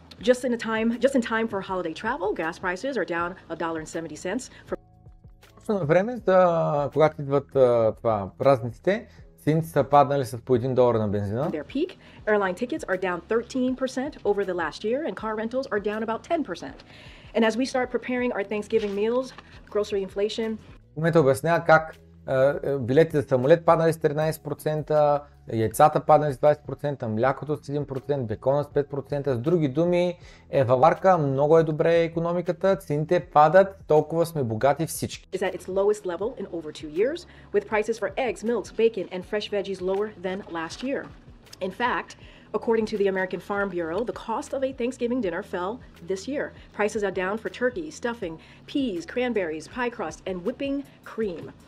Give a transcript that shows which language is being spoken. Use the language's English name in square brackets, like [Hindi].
[English] Just in time for holiday travel, gas prices are down $1.70 for. [Bulgarian] Точно на време, когато идват това празниците, цените са паднали с по $1 на бензина. [English] Their peak, airline tickets are down 13% over the last year and car rentals are down about 10%. And as we start preparing our Thanksgiving meals, grocery inflation. [Bulgarian] В момента обяснява как билетите за самолет паднали с 13%, яйцата паднали с 20%, млякото с 1%, бекона с 5%. С други думи, еваварка, много е добре економиката, цените падат, толкова сме богати всички. [English] Is at its lowest level in over 2 years, with prices for eggs, milk, bacon and fresh veggies lower than last year. In fact, according to the American Farm Bureau, the cost of a Thanksgiving dinner fell this year. Prices are down for turkey, stuffing, peas, cranberries, pie crust and whipping cream.